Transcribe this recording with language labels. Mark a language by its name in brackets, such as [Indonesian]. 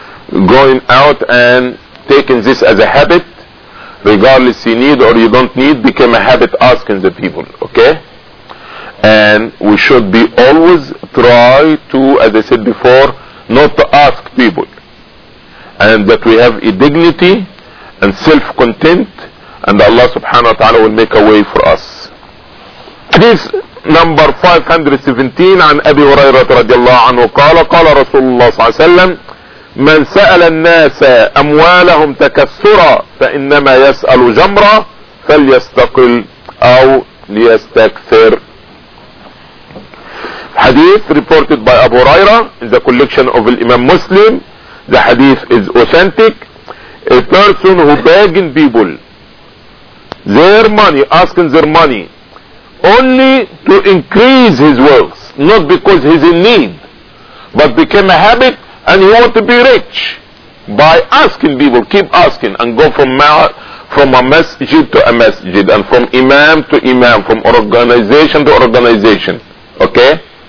[English] Going out and taking this as a habit, regardless you need or you don't need, became a habit asking the people. Okay? And we should be always try to, as I said before, not to ask people. And that we have a dignity and self-content, and Allah subhanahu wa ta'ala will make a way for us. [Arabic] This number 517 عن أبي هريرة رضي الله عنه قال قال رسول الله صلى الله عليه وسلم من سأل الناس أموالهم تكسرا فإنما يسأل جمرا فليستقل أو ليستكثر. [English] حديث reported by أبو هريرة in the collection of الإمام مسلم. The hadith is authentic. A person who begging people their money, asking their money, only to increase his wealth, not because he's in need, but became a habit and he want to be rich by asking people, keep asking and go from a masjid to a masjid and from imam to imam, from organization to organization, okay?